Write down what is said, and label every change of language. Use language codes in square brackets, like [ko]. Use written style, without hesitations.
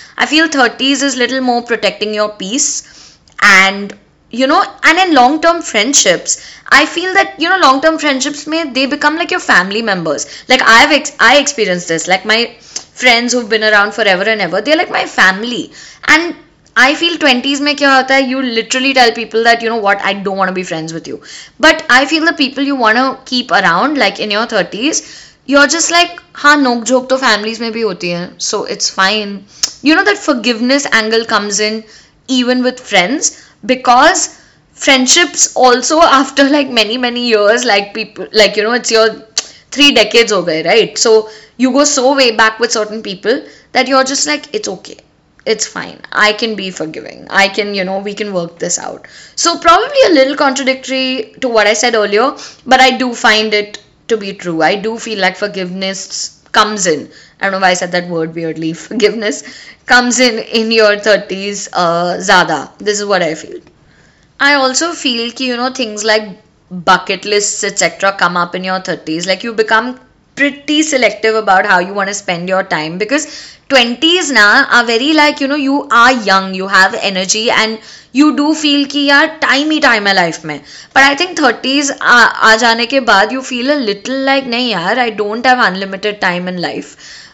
[en] I feel 30s is little more protecting your peace, and in long-term friendships, I feel that, long-term friendships may, they become like your family members. Like, I experienced this, like, my friends who've been around forever and ever, they're like my family. And I feel 20s में क्या होता है, you literally tell people that you know what I don't want to be friends with you, but I feel the people you want to keep around like in your 30s you are just like [hi] हाँ नोकझोंक तो families में भी होती है [en] So it's fine. You know that forgiveness angle comes in even with friends because friendships also after like many many years like people like you know it's your 3 decades [hi] हो गए [en] Right so you go so way back with certain people that you are just like it's okay it's fine I can be forgiving I can you know we can work this out so probably a little contradictory to what I said earlier but I do find it to be true I do feel like forgiveness comes in I don't know why I said that word weirdly forgiveness comes in your 30s ज्यादा this is what I feel I also feel ki, you know, things like bucket lists, etc. come up in your 30s. Like, you become pretty selective about how you want to spend your time. Because 20s na are very like, you know, you are young, you have energy and you do feel ki, [hi] yaar, time hi time hai life mein. [en] But I think 30s, [hi] aa jaane ke baad, [en] you feel a little like, [hi] nahi yaar, [en] I don't have unlimited time in life.